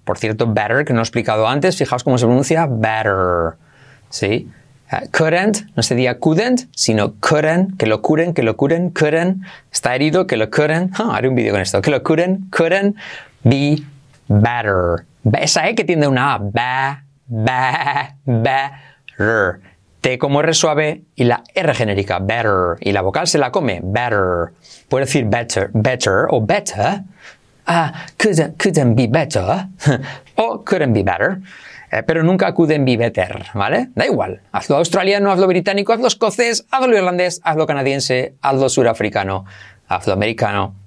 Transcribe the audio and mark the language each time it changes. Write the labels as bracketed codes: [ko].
[es] Por cierto, better, que no he explicado antes. Fijaos cómo se pronuncia better. ¿Sí? Couldn't, no sería couldn't, sino couldn't, que lo curen, que lo curen, couldn't. Está herido, que lo curen. Oh, haré un vídeo con esto. Que lo curen, [en] couldn't be better. [es] Esa E que tiende una A. Ba, ba, ba, rr. T como R suave y la R genérica. Better. Y la vocal se la come. Better. Puede decir better, better o better. [en] Couldn't be better. O couldn't be better. [es] Pero nunca [en] couldn't be better, [es] ¿vale? Da igual. Hazlo australiano, hazlo británico, hazlo escocés, hazlo irlandés, hazlo canadiense, hazlo surafricano, hazlo americano.